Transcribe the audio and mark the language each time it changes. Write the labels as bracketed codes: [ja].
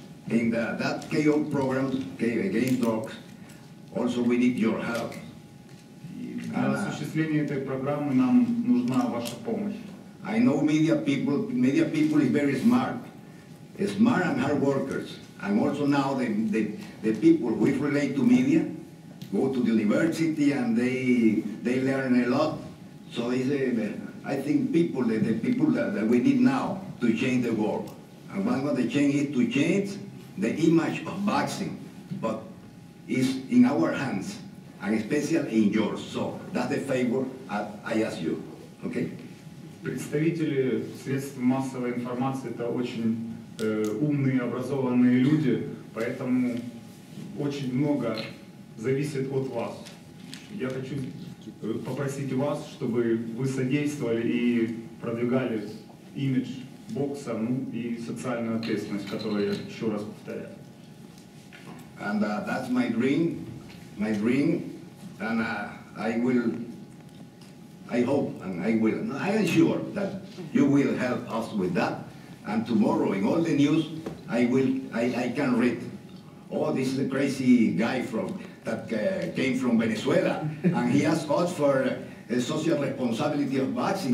[en] In that KO program, against drugs, also we need your help. [ru] Для осуществления этой программы нам нужна ваша помощь. [en] I know media people is very smart. Smart and hard workers. And also now the people who relate to media go to the university and they learn a lot. So it's I think the people that we need now to change the world. And one of the change is to change the image of boxing. But it's in our hands and especially in yours. So that's the favor I ask you. Okay? [ru] Представители средств массовой информации – это очень умные, образованные люди, поэтому очень много зависит от вас. Я хочу попросить вас, чтобы вы содействовали и продвигали имидж бокса, ну и социальную ответственность, которую я еще раз повторяю. [en] And that's my dream, and I am sure that you will help us with that. And tomorrow in all the news, I can read. Oh, this is a crazy guy that came from Venezuela, and he has fought for a social responsibility of vaccine.